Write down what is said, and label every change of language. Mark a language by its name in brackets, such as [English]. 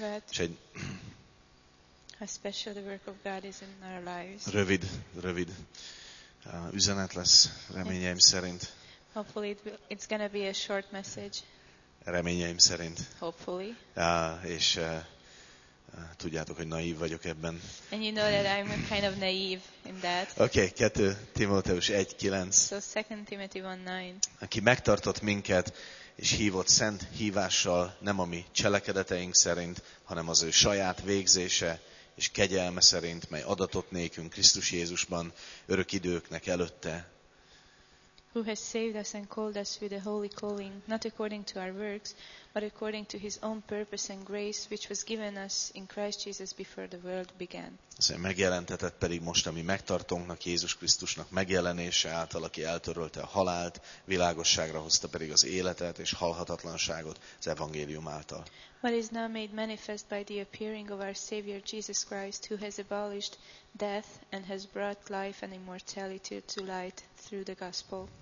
[Hungarian] És egy [English] how special the work of God is in our lives. [Hungarian] Rövid üzenet lesz, reményeim szerint. [English] Hopefully it's gonna be a short message. [Hungarian] Reményeim szerint. [English] Hopefully. [Hungarian] És tudjátok, hogy naív vagyok ebben. [English] And you know that I'm kind of naive in that. [Hungarian] Okay, 2 Timóteus 1:9. [English] So 2 Timothy 1:9. [Hungarian] Aki megtartott minket és hívott szent hívással, nem a mi cselekedeteink szerint, hanem az ő saját végzése és kegyelme szerint, mely adatott nékünk Krisztus Jézusban örök időknek előtte. [English] who has saved us and called us with a holy calling, not according to our works, but according to his own purpose and grace, which was given us in Christ Jesus before the world began. [Hungarian] Ez megjelentetett pedig most a mi megtartónknak, Jézus Krisztusnak megjelenése által, aki eltörölte a halált, világosságra hozta pedig az életet és halhatatlanságot az evangélium által. [English] What is now made manifest by the appearing of our Savior Jesus Christ, who has abolished death and has brought life and immortality to light through the gospel.